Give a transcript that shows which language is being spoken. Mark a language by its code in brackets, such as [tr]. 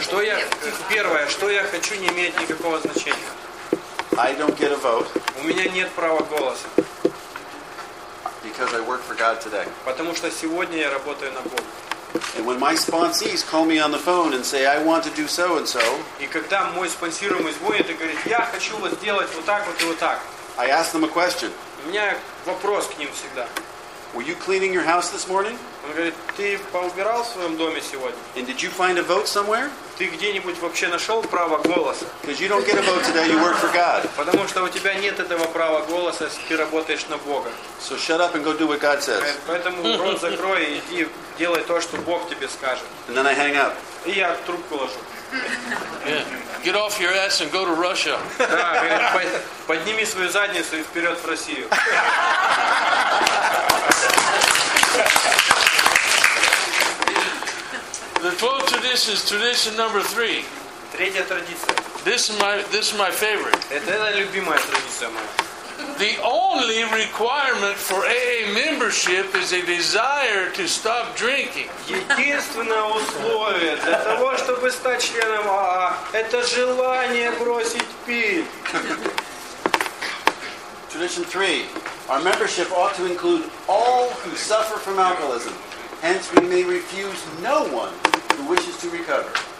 [ru] Что я первое, что я хочу, не имеет никакого значения. [en] I don't get a vote. [ru] У меня нет права голоса. [en] Because I work for God today. [ru] Потому что сегодня я работаю на Бога. [en] And when my sponsees call me on the phone and say, I want to do so and so, [ru] и когда мой спонсируемый звонит и говорит, я хочу вот сделать вот так вот и вот так, [en] I ask them a question. [ru] У меня вопрос к ним всегда. [en] Were you cleaning your house this morning? [ru] Он говорит, ты поубирал в своем доме сегодня? [en] And did you find a vote somewhere? [ru] Ты где-нибудь вообще нашел право голоса? [en] Because you don't get a vote today, you work for God. [ru] Потому что у тебя нет этого права голоса, если ты работаешь на Бога. [en] So shut up and go do what God says. [ru] Поэтому рот закрой и иди делай то, что Бог тебе скажет. [en] And then I hang up. [ru] И я трубку ложу. [en] Yeah. Get off your ass and go to Russia. [ru] Подними свою задницу и вперед в Россию. [en] The 12th tradition is tradition number 3. [ru] Третья традиция. [en] This is my favorite. [ru] Это любимая традиция моя. [en] The only requirement for AA membership is a desire to stop drinking. [ru] Единственное условие для того, чтобы стать членом АА, это желание бросить пить. [en] Tradition 3. Our membership ought to include all who suffer from alcoholism. Hence, we may refuse no one who wishes to recover.